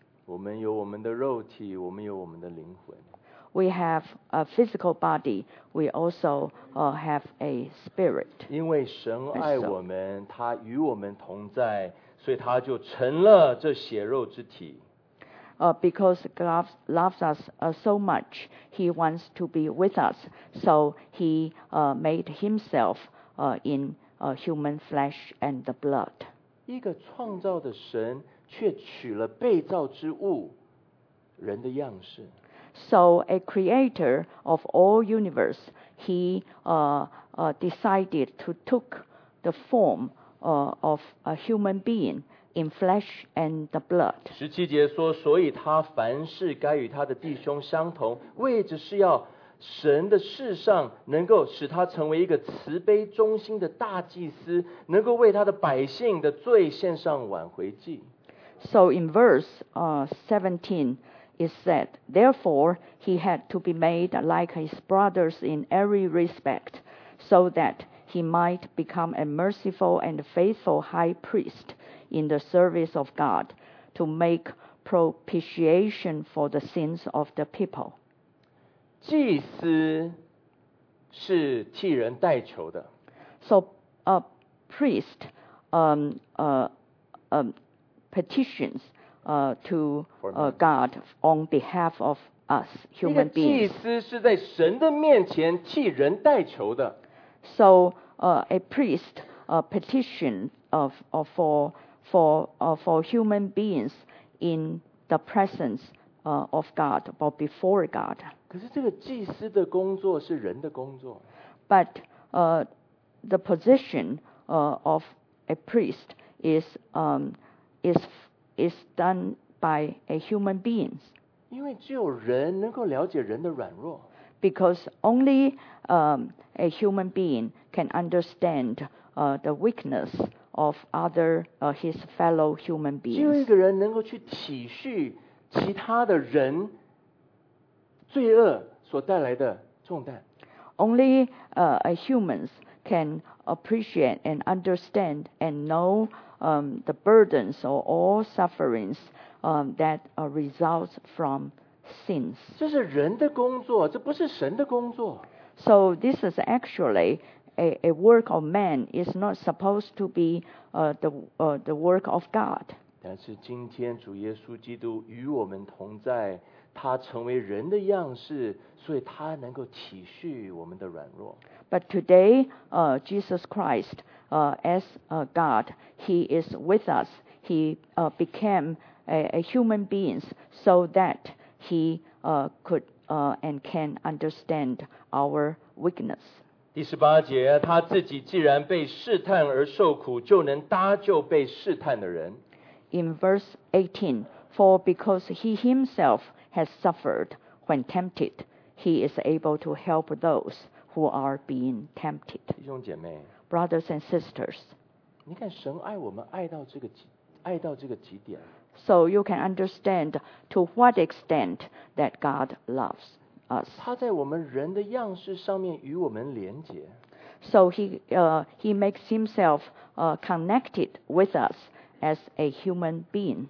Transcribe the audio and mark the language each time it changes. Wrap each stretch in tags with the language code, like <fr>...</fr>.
<zh>我们有我们的肉体，我们有我们的灵魂。</zh> <en>We have a physical body. We also have a spirit.</en> <zh>因为神爱我们，他与我们同在，所以他就成了这血肉之体。</zh> <en>Because God loves us so much, He wants to be with us. So He made Himself in human flesh and the blood.</en> <zh>一个创造的神却取了被造之物人的样式。</zh> <en>So a creator of all universe, he decided to took the form of a human being in flesh and the blood.</en> <zh>十七节说，所以他凡事该与他的弟兄相同，为的是要神的事上能够使他成为一个慈悲忠心的大祭司，能够为他的百姓的罪献上挽回祭。</zh> <en>So in verse 17. It said, therefore, he had to be made like his brothers in every respect, so that he might become a merciful and faithful high priest in the service of God to make propitiation for the sins of the people.</en> <zh>祭司是替人代求的。</zh> <en>So a priest petitions. To God on behalf of us human beings.</en> <zh>祭司是在神的面前替人代求的。</zh> <en>So a priest petition for human beings in the presence of God or before God.</en> <zh>可是这个祭司的工作是人的工作。</zh> <en>But the position of a priest is done by a human being.</en> <zh>因为只有人能够了解人的软弱。</zh> <en>Because only a human being can understand the weakness of other his fellow human beings.</en> <zh>只有一个人能够去体恤其他的人罪恶所带来的重担。</zh> <en>Only a human can appreciate and understand and know the burdens or all sufferings that result from sins.</en> <zh>这是人的工作，这不是神的工作。</zh> <en>So this is actually a work of man. It's not supposed to be the work of God.</en> <zh>但是今天主耶稣基督与我们同在，他成为人的样式，所以他能够体恤我们的软弱。</zh> <en>But today, Jesus Christ. As God, He is with us. He became a human being so that He could and can understand our weakness.</en> <zh>第十八节，他自己既然被试探而受苦，就能搭救被试探的人。</zh> <en>In verse 18, for because He Himself has suffered when tempted, He is able to help those who are being tempted.</en> <zh>弟兄姐妹。</zh> <en>Brothers and sisters,</en> <zh>你看神爱我们爱到这个极，爱到这个极点。</zh> <en>So you can understand to what extent that God loves us.</en> <zh>他在我们人的样式上面与我们连结。</zh> <en>So he makes himself connected with us as a human being.</en>